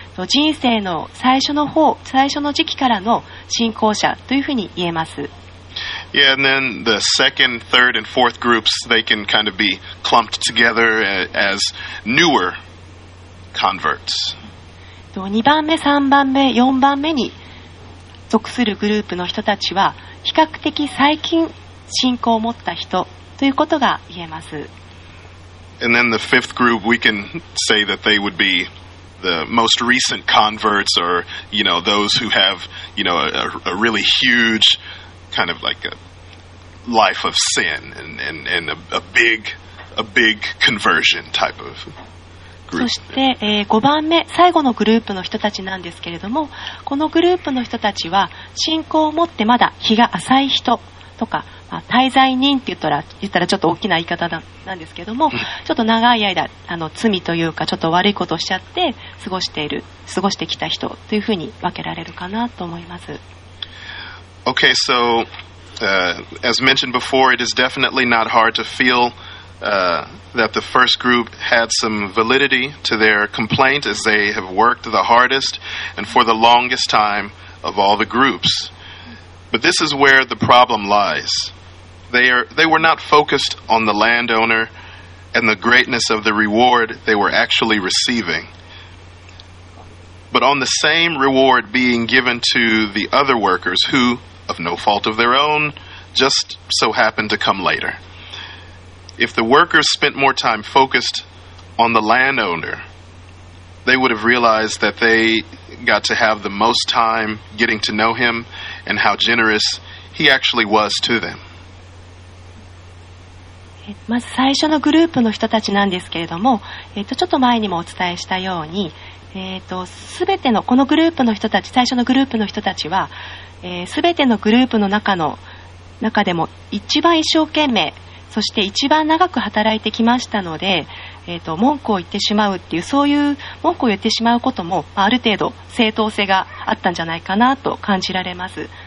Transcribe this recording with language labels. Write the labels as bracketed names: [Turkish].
[Japanese] 人生の最初の方、最初の時期からの信仰者というふうに言えます。 [English] Yeah, and then the second, third, and fourth groups, they can kind of be clumped together as newer converts. [Japanese] 2番目、3番目、4番目に属するグループの人たちは、比較的最近信仰を持った人ということが言えます。 [English] And then the fifth group, we can say that they would be the most recent converts or, you know, those who have, you know, a really huge... kind of like a life of sin and a big conversion type of group. [Japanese] そして、5番目、最後のグループの人たちなんですけれども、このグループの人たちは信仰を持ってまだ日が浅い人とか、滞在人って言ったらちょっと大きな言い方なんですけれども、ちょっと長い間罪というかちょっと悪いことをしちゃって過ごしてきた人というふうに分けられるかなと思います。 [English] Okay, so as mentioned before, it is definitely not hard to feel that the first group had some validity to their complaint as they have worked the hardest and for the longest time of all the groups. But this is where the problem lies. They were not focused on the landowner and the greatness of the reward they were actually receiving, but on the same reward being given to the other workers who... of no fault of their own, just so happened to come later. If the workers spent more time focused on the landowner, they would have realized that they got to have the most time getting to know him and how generous he actually was to them. [Japanese] まず最初のグループの人たちなんですけれども、ちょっと前にもお伝えしたように、全てのこのグループの人たち、最初のグループの人たちは、全てのグループの中でも一番一生懸命、そして一番長く働いてきましたので、文句を言ってしまうっていう、そういう文句を言ってしまうこともある程度正当性があったんじゃないかなと感じられます。